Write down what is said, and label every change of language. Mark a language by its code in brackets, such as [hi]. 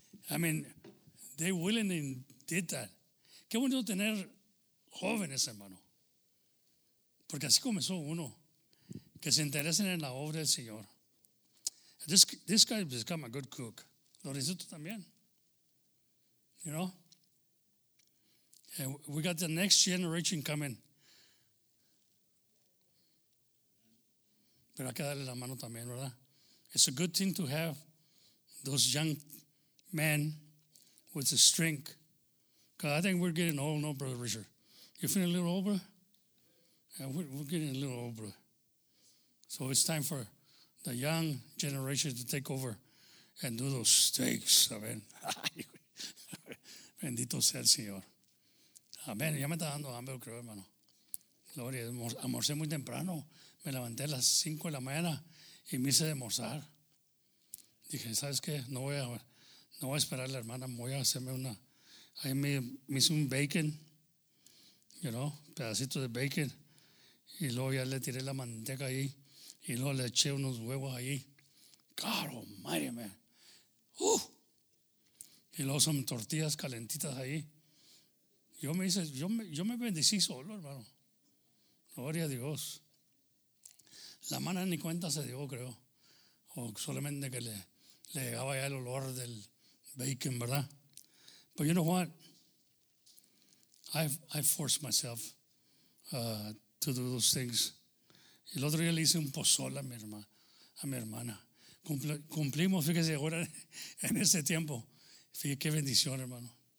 [en] I mean, they willingly did that. [es] Qué bonito tener jóvenes, hermano. Porque así comenzó uno. Que se interesen en la obra del Señor. [en] This guy has become a good cook. Lorenzo [es] también. [en] You know? And we got the next generation coming. [es] Pero hay que darle la mano también, ¿verdad? [en] It's a good thing to have those young men with the strength. Because I think we're getting old, no, Brother Richard? You feeling a little old, brother? Yeah, we're getting a little old, brother. So it's time for the young generation to take over and do those steaks. [es] Amen. Bendito sea el Señor. Amén. Ya me está dando hambre, creo, hermano. Gloria. Almorcé muy temprano. Me levanté a las 5 de la mañana y me hice de almorzar. Dije, ¿sabes qué? No voy a esperar a la hermana. Voy a hacerme una. Ahí me hice un bacon. [en] You know, [es] pedacito de bacon. Y luego ya le tiré la manteca ahí. Y luego le eché unos huevos ahí. [en] God almighty, man. [es] Y luego son tortillas calentitas ahí. Yo me bendecí solo, hermano. Gloria a Dios. La mano ni cuenta se dio, creo. O solamente que le llegaba ya el olor del bacon, ¿verdad? [en] But you know what? [es] I forced myself to do those things. El otro día le hice un pozole a mi hermana. Cumplimos, fíjese, ahora en ese tiempo. Fíjese qué bendición, hermano.